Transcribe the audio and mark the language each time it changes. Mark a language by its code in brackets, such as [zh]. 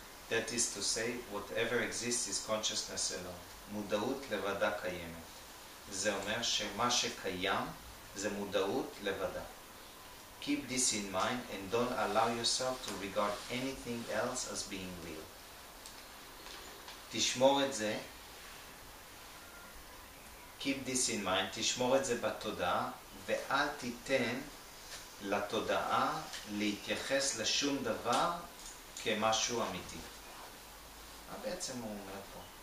[en] That is to say, whatever exists is consciousness alone. [he] מודעות לבדה קיימת. זה אומר שמה שקיים זה מודעות לבדה. [en] Keep this in mind and don't allow yourself to regard anything else as being real. [he] תשמור את זה, [en] keep this in mind, [he] תשמור את זה בתודעה, ואל תיתן לתודעה להתייחס לשום דבר כמשהו אמיתי. מה בעצם הוא אומר פה?